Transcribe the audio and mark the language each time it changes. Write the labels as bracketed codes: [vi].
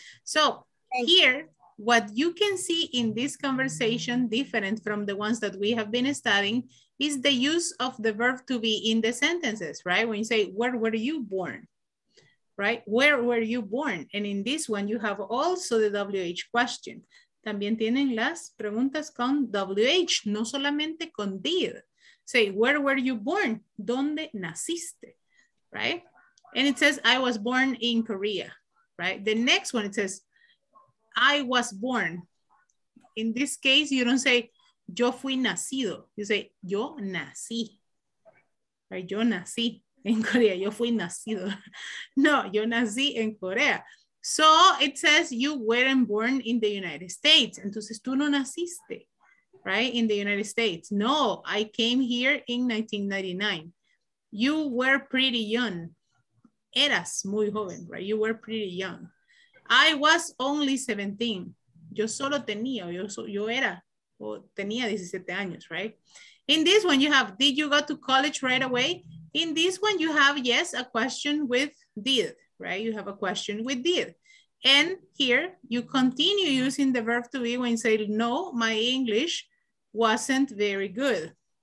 [en] So here, what you can see in this conversation, different from the ones that we have been studying, is the use of the verb to be in the sentences, right? When you say, where were you born? Right? Where were you born? And in this one, you have also the WH question. [es] También tienen las preguntas con WH, no solamente con did. [en] Say, where were you born? [es] ¿Dónde naciste? [en] Right? And it says, I was born in Korea. Right? The next one, it says, I was born. In this case, you don't say, [es] yo fui nacido. [en] You say, [es] yo nací. [en] Right? [es] Yo nací. En Corea, yo fui nacido. No, yo nací en Corea. [en] So it says you weren't born in the United States. [es] Entonces tú no naciste, [en] right? In the United States. No, I came here in 1999. You were pretty young. [es] Eras muy joven, [en] right? You were pretty young. I was only 17. [es] Yo solo tenía, yo era, o tenía 17 años, right? [en] In this one you have, did you go to college right away? In this one, you have, yes, a question with did, right? You have a question with did. And here, you continue using the verb to be when you say, no, my English wasn't very good.